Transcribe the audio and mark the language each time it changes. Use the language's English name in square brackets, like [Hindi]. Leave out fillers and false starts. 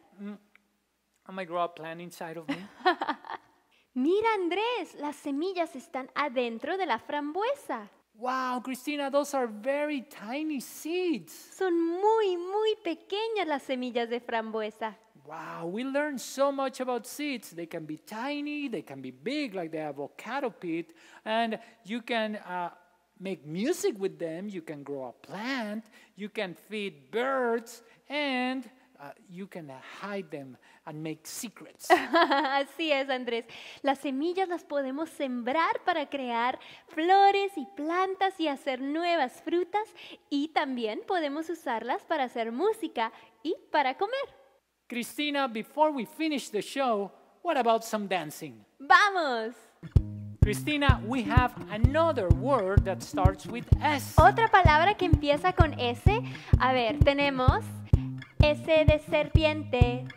[English] I might grow a plant inside of me. [Spanish] Mira, Andrés, las semillas están adentro de la frambuesa. [English] Wow, Cristina, those are very tiny seeds. [Spanish] Son muy, muy pequeñas las semillas de frambuesa. [English] Wow, we learned so much about seeds. They can be tiny, they can be big, like the avocado pit, and you can make music with them, you can grow a plant, you can feed birds, and you can hide them and make secrets. [Spanish] Así es, Andrés. Las semillas las podemos sembrar para crear flores y plantas y hacer nuevas frutas, y también podemos usarlas para hacer música y para comer. [English] Cristina, before we finish the show, what about some dancing? [Spanish] ¡Vamos! [English] Cristina, we have another word that starts with S. [Spanish] Otra palabra que empieza con S. A ver, tenemos S de serpiente.